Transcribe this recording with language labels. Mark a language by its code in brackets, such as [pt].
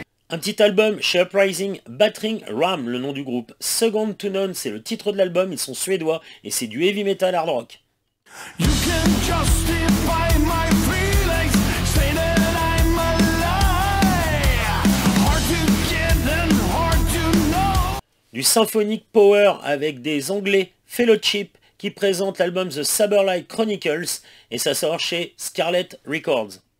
[fr] Un petit album chez Uprising Battering Ram, le nom du groupe. Second to None, c'est le titre de l'album. Ils sont suédois et c'est du heavy metal hard rock. [en] You can justify my feelings, say that I'm a liar. Hard to get and hard to know. [fr] Du Symphonic Power avec des anglais Fellowship qui présentent l'album The Saberlight Chronicles et ça sort chez Scarlet Records.